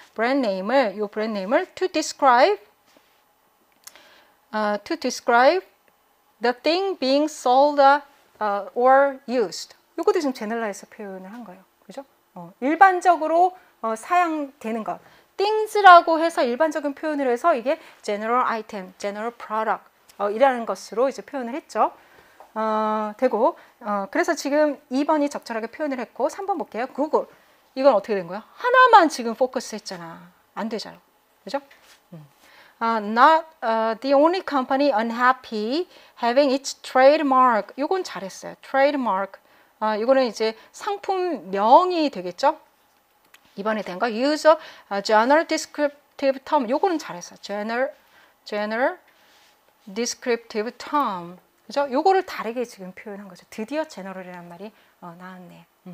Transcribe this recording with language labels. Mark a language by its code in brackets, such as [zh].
[en] brand name을 to describe the thing being sold or used. [ko] 이것도 지금 generalize 표현을 한 거예요. 그죠? 일반적으로 사양되는 것. things라고 해서 일반적인 표현을 해서 이게 general item, general product, 이라는 것으로 이제 표현을 했죠. 되고, 그래서 지금 2번이 적절하게 표현을 했고, 3번 볼게요. Google. 이건 어떻게 된 거야? 하나만 지금 포커스 했잖아. 안 되잖아. 그죠? [en] Not the only company unhappy having its trademark. [ko] 이건 잘했어요. [en] trademark. [ko] 아, 이거는 이제 상품명이 되겠죠? 이번에 된 거. [en] Use a general descriptive term. [ko] 요거는 잘했어. [en] General descriptive term. [ko] 그죠? 요거를 다르게 지금 표현한 거죠. 드디어 general이란 말이 나왔네.